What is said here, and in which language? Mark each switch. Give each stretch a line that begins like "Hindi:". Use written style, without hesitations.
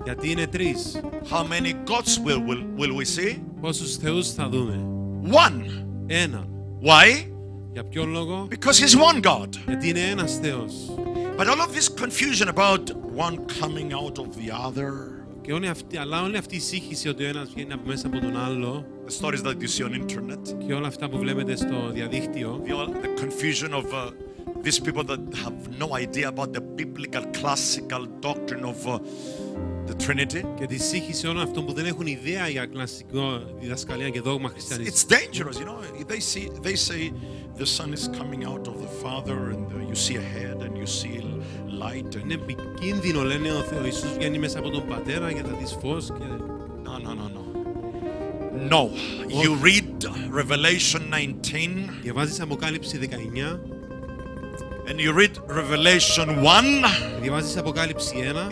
Greek: Γιατί είναι τρεις.
English: How many gods will we see?
Greek: Πόσους θεούς θα δούμε?
English: One.
Greek: Ένα.
English: Why?
Greek: Για ποιο λόγο?
English: Because he's one God.
Greek: Γιατί είναι ένας Θεός.
English: But all of this confusion about one coming out of the other.
Greek: Και όλη αυτή, αλλά όλη αυτή η σύγχυση ότι ο ένας βγαίνει από μέσα από τον άλλο.
English: The stories that you see on internet.
Greek: Και όλα αυτά που βλέπετε στο διαδίκτυο.
English: The confusion of these people that have no idea about the biblical classical doctrine of the Trinity.
Greek: Και τη σύγχυση όλων αυτών που δεν έχουν ιδέα για κλασικό διδασκαλία και δόγμα χριστιανισμού.
English: It's dangerous, you know. They say the Son is coming out of the Father, and you see a head, and you see light.
Greek: Είναι επικίνδυνο, λένε, ο Ιησούς βγαίνει μέσα από τον Πατέρα και θα δεις φως.
English: No. No. You read Revelation 19.
Greek: Διαβάζεις Αποκάλυψη 19.
English: And you read Revelation 1.
Greek: Διαβάζεις Αποκάλυψη 1.